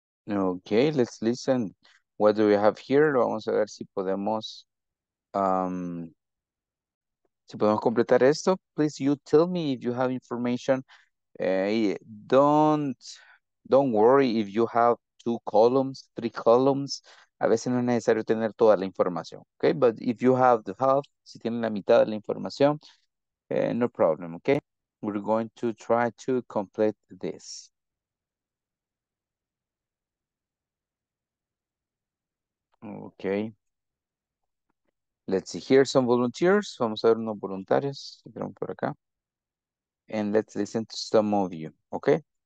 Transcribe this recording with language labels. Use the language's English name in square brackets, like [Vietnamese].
[English] Okay, let's listen. What do we have here? [Spanish] Vamos a ver si podemos si podemos completar esto. [English] Please, you tell me if you have information. Don't worry if you have two columns, three columns. [Spanish] A veces no es necesario tener toda la información. [English] Okay, but if you have the half, [Spanish] si tienen la mitad de la información, [English] no problem. Okay, we're going to try to complete this. Okay, let's see here some volunteers. [Spanish] Vamos a ver unos voluntarios que tenemos por acá. [English] And let's listen to some of you, okay?